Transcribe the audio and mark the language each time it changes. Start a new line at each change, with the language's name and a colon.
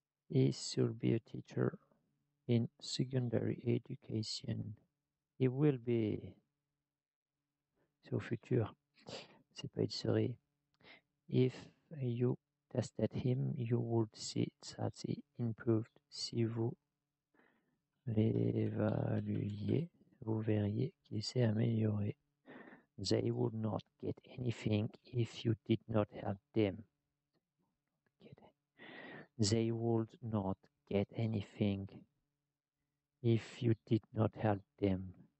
English: He should be a teacher in secondary education. He will be.
French: C'est au futur. C'est pas il serait.
English: If you tested him, you would see that he improved.
French: Si vous l'évaluiez, vous verriez qu'il s'est amélioré.
English: They would not get anything if you did not help them. They would not get anything if you did not help them.